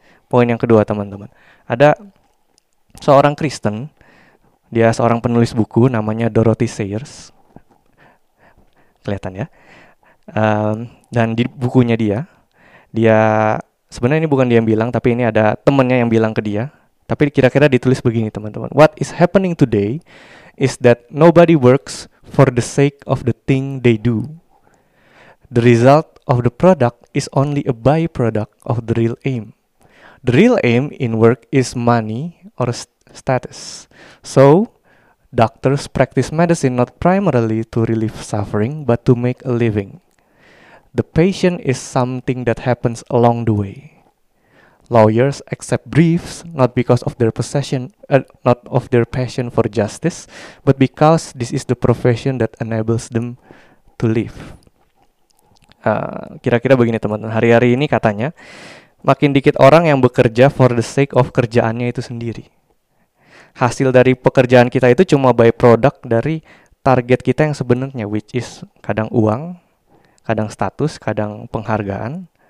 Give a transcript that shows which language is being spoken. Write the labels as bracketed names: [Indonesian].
[Indonesian] Poin yang kedua, teman-teman. Ada seorang Kristen, dia seorang penulis buku, namanya Dorothy Sayers. Kelihatan ya? Dan di bukunya dia, dia sebenarnya ini bukan dia yang bilang, tapi ini ada temannya yang bilang ke dia. Tapi kira-kira ditulis begini, teman-teman. [English] What is happening today is that nobody works for the sake of the thing they do. The result of the product is only a byproduct of the real aim. The real aim in work is money or status. So, doctors practice medicine not primarily to relieve suffering, but to make a living. The patient is something that happens along the way. Lawyers accept briefs not because of their possession, not of their passion for justice, but because this is the profession that enables them to live. [Indonesian] Kira-kira begini, teman-teman. Hari-hari ini katanya makin dikit orang yang bekerja [English] for the sake of [Indonesian] kerjaannya itu sendiri. Hasil dari pekerjaan kita itu cuma byproduct dari target kita yang sebenarnya, [English] which is [Indonesian] kadang uang, kadang status, kadang penghargaan.